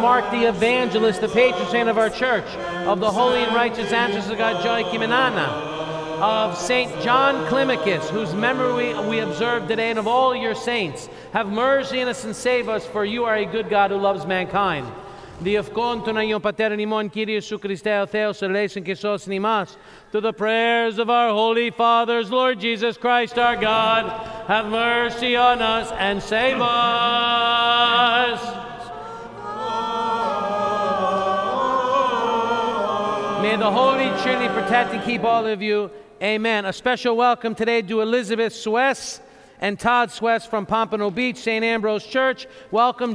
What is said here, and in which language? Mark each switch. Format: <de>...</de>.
<en>Mark the Evangelist, the patron saint of our church, of the holy and righteous ancestors of God, Joachim and Anna, of St. John Climacus, whose memory we observe today, and of all your saints, have mercy on us and save us, for you are a good God who loves mankind.</en> <el>Διευκόν των Αγίων Πατέρων ημών, Κύριε Ιησού Χριστέ, ο Θεός, ελέησον και σώσον ημάς.</el> <en>To the prayers of our holy fathers, Lord Jesus Christ, our God, have mercy on us and save us. May the Holy Trinity protect and keep all of you. Amen. A special welcome today to Elizabeth Suess and Todd Suess from Pompano Beach, St. Ambrose Church. Welcome.</en>